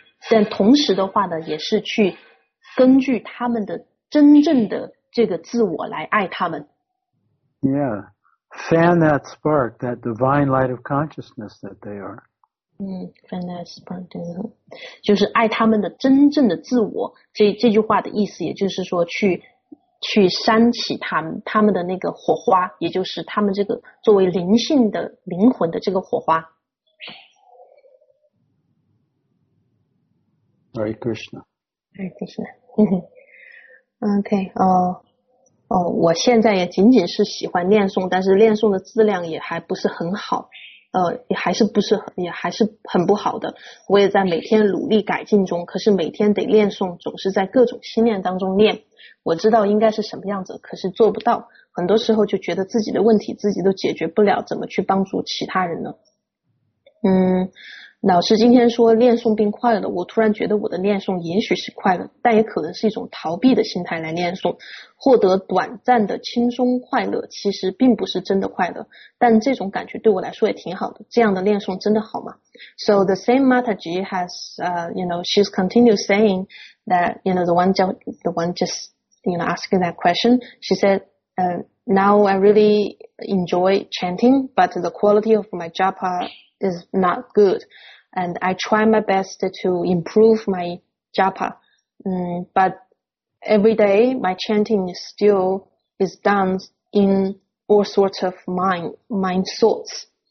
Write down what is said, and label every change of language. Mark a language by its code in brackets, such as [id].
[zh] 但同时的话呢，也是去根据他们的真正的这个自我来爱他们。 [en] Yeah, fan that spark, that divine light of consciousness that they are. Fan that spark, [zh] 就是爱他们的真正的自我。这句话的意思，也就是说去煽起他们的那个火花，也就是他们这个作为灵性的灵魂的这个火花。 [sa] Hare Krishna. Hare Krishna. [zh] OK, 我现在也仅仅是喜欢念诵，但是念诵的质量也还不是很好，也还是很不好的。我也在每天努力改进中，可是每天得念诵，总是在各种心念当中念。我知道应该是什么样子，可是做不到。很多时候就觉得自己的问题自己都解决不了，怎么去帮助其他人呢？老师今天说念诵并快乐，我突然觉得我的念诵也许是快乐，但也可能是一种逃避的心态来念诵，获得短暂的轻松快乐，其实并不是真的快乐，但这种感觉对我来说也挺好的，这样的念诵真的好吗？ [en] So the same Mataji has, you know, she's continued saying that, you know, the one just, you know, asking that question, she said, now I really enjoy chanting, but the quality of my japa is not good, and I try my best to improve my japa, but every day my chanting is still done in all sorts of mind thoughts.